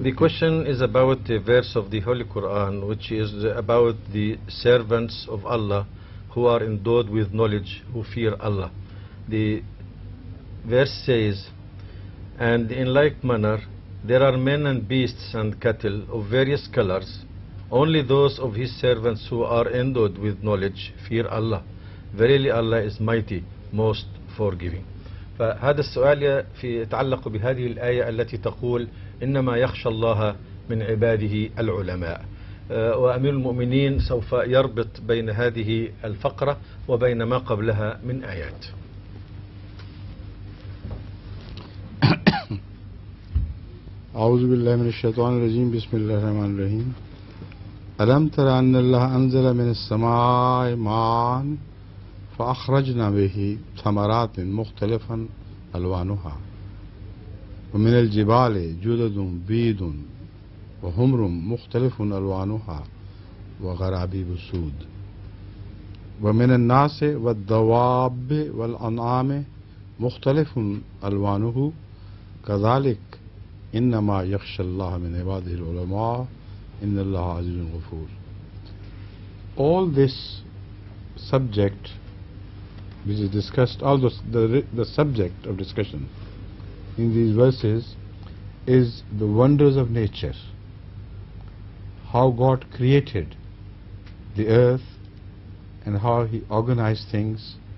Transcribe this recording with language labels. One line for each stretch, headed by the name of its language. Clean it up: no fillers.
English: the question is about a verse of the Holy Quran, which is about the servants of Allah who are endowed with knowledge, who fear Allah. The verse says, and in like manner, there are men and beasts and cattle of various colors. Only those of his servants who are endowed with knowledge fear Allah. Verily Allah is mighty, most forgiving.
Arabic: فهذا السؤال في يتعلق بهذه الآية التي تقول إنما يخشى الله من عباده العلماء. وأمير المؤمنين سوف يربط بين هذه الفقرة وبين ما قبلها من آيات. أعوذ بالله من الشيطان الرجيم بسم الله الرحمن الرحيم ألم تر أن الله أنزل من السماء ماء فأخرجنا به ثمرات مختلفا ألوانها ومن الجبال جدد بيض وحمر مختلف ألوانها وغرابيب سود ومن الناس والدواب والأنعام مختلف ألوانه كذلك إنما يخشى الله من عباده العلماء إن الله عزيز غفور.
English: All this subject which is discussed, all the subject of discussion in these verses is the wonders of nature, how God created the earth and how He organized things.